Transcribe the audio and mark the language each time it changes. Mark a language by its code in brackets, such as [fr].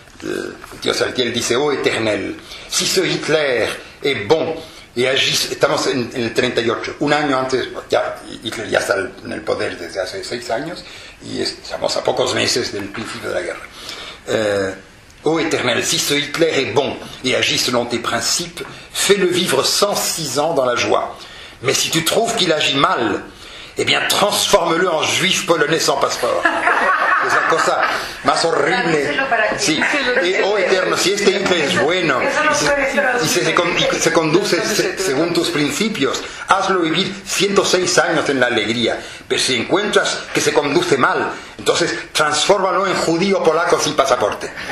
[es] El tío Saltiel dice, [fr] oh éternel, si ce Hitler est bon, et agis, [es] estamos en el 38, un año antes, ya Hitler ya está en el poder desde hace 6 años, y estamos a pocos meses del principio de la guerra. [fr] Oh éternel, si ce Hitler est bon et agit selon tes principes, fais-le vivre 106 ans dans la joie. Mais si tu trouves qu'il agit mal, eh bien transforme-le en juif polonais sans passeport. [es] Esa cosa más horrible. Sí. Oh eterno, si este Hitler es bueno y se conduce según tus principios, hazlo vivir 106 años en la alegría. Pero si encuentras que se conduce mal, entonces transfórmalo en judío polaco sin pasaporte.